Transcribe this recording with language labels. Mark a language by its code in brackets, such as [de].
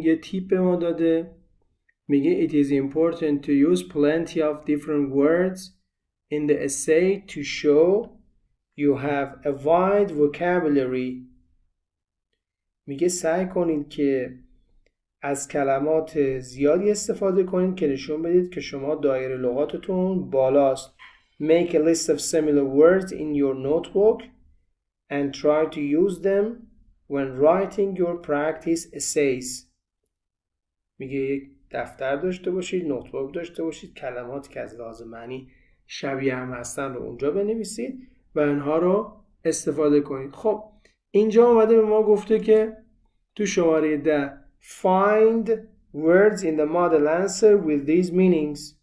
[fa] یه تیپ به ما داده، میگه [en] it is important to use plenty of different words in the essay to show you have a wide vocabulary. [fa] میگه سعی کنید که از کلمات زیادی استفاده کنید که نشون بدید که شما دایره لغاتتون بالاست. [en] Make a list of similar words in your notebook and try to use them when writing your practice essays. [fa] میگه یک دفتر داشته باشید، نوتبوک داشته باشید، کلماتی که از لحاظ معنی شبیه هم هستن رو اونجا بنویسید و اینها رو استفاده کنید. خب اینجا اومده به ما گفته که تو شماره 10 [en] find words in the model answer with these meanings.